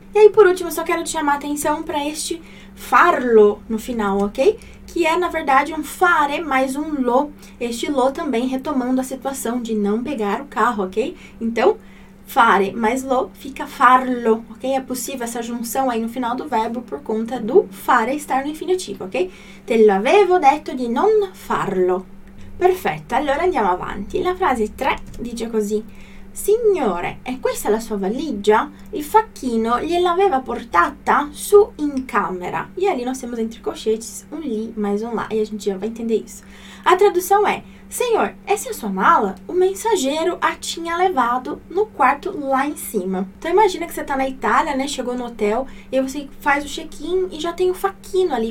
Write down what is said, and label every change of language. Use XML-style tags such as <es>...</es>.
<pt>E aí, por último, só quero te chamar a atenção para este farlo no final, ok? Que é, na verdade, um fare mais um lo. Este lo também retomando a situação de não pegar o carro, ok? Então, fare mais lo fica farlo, ok? É possível essa junção aí no final do verbo por conta do fare estar no infinitivo, ok?</pt> <it>Te l'avevo detto di non farlo. Perfetto, allora andiamo avanti. La frase 3 dice così. Signore, è questa la sua valigia? Il facchino gliel'aveva portata su in camera.</it> <pt>E ali nós temos entre colchetes um li mais um lá, e a gente já vai entender isso. A tradução é, senhor, essa é a sua mala? O mensageiro a tinha levado no quarto lá em cima. Então imagina que você tá na Itália, né, chegou no hotel, e você faz o check-in e já tem o facchino ali.</pt>